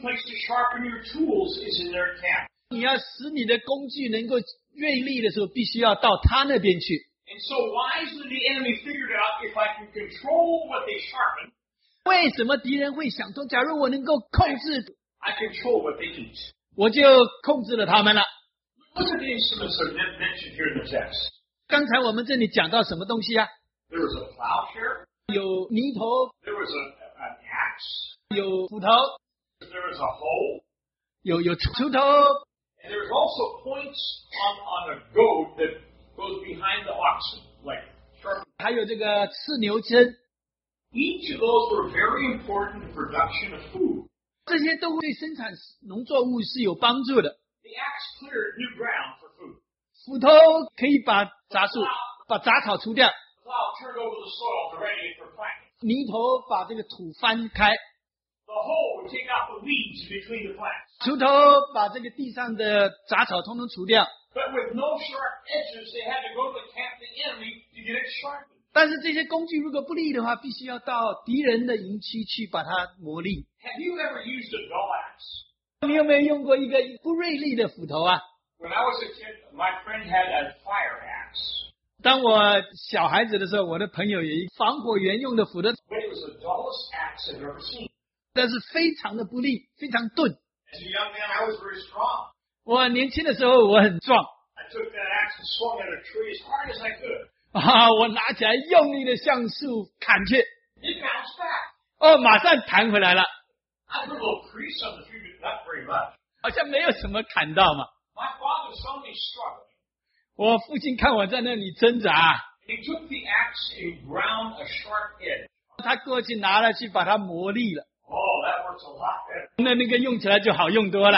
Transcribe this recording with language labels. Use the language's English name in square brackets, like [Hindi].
[English] place to sharpen your tools is in their camp. [Chinese] 你要使你的工具能够锐利的时候，必须要到他那边去。 [English] And so wisely the enemy figured out, if I can control what they sharpen, [Chinese] 为什么敌人会想通？假如我能够控制， [English] I control what they eat. [Chinese] 我就控制了他们了。 [English] Look at the instruments that are mentioned here in the text. [Chinese] 刚才我们这里讲到什么东西啊？ [English] There was a plowshare. [Chinese] 有泥头, [English] there was an axe, [Chinese] 有斧头, [English] there was a hoe, [Chinese] 有锄头。 [English] And there's also points on a goat that goes behind the oxen, like sharp. [Chinese] 还有这个刺牛针。 [English] Each of those were very important for production of food. [Chinese] 这些都会生产农作物是有帮助的。 [English] The axe cleared new ground for food. [Chinese] 斧头可以把杂草除掉。 [English] The plow turned over the soil to ready it for planting. [Chinese] 犁头把这个土翻开。 [English] The hoe would take out the weeds between the plants. [Chinese] 锄头把这个地上的杂草统统除掉。 [English] But with no sharp edges, they had to go to the camp of the enemy to get it sharpened. [Chinese] 但是这些工具如果不利的话, 必须要到敌人的营区去把它磨砺。 [English] Have you ever used a dull axe? [Chinese] 你有没有用过一个不锐利的斧头啊? [English] When I was a kid, my friend had a fire axe. [Chinese] 当我小孩子的时候, 我的朋友有一个防火员用的斧头。 [English] But it was the dullest axe I've ever seen. [Chinese] 但是非常的不利, 非常钝。 [English] As a young man, I was very strong. [Chinese] 我年轻的时候我很壮。 [English] I took that axe and swung at a tree as hard as I could. [Chinese] 我拿起来用力的向树砍去。 [English] It bounced back. [Chinese] 马上弹回来了。 [English] I put a little crease on the tree, but not very much. [Chinese] 好像没有什么砍到嘛。 [English] My father saw me struggling. [Chinese] 我父亲看我在那里挣扎。 [English] He took the axe and ground a sharp edge. [Chinese] 他过去拿了去把它磨砺了。 [English] Oh, that works a lot better. [Chinese] 那个用起来就好用多了。